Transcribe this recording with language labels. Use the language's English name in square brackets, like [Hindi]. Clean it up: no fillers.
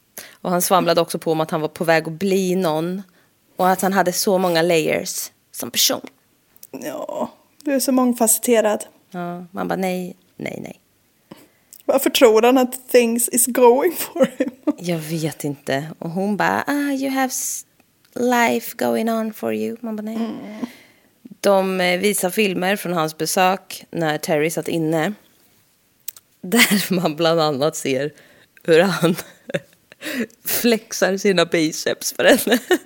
[Swedish] Och han svamlade också på om att han var på väg att bli någon. Och att han hade så många layers som person. Ja, du är så mångfacetterad. Ja, man bara nej, nej, nej. Varför tror han att [English] things is going for him? [Swedish] Jag vet inte. Och hon bara, [English] ah, you have life going on for you. [Swedish] Man bara nej. Mm. De visar filmer från hans besök när Terry satt inne. Där man bland annat ser hur han flexar sina biceps för henne.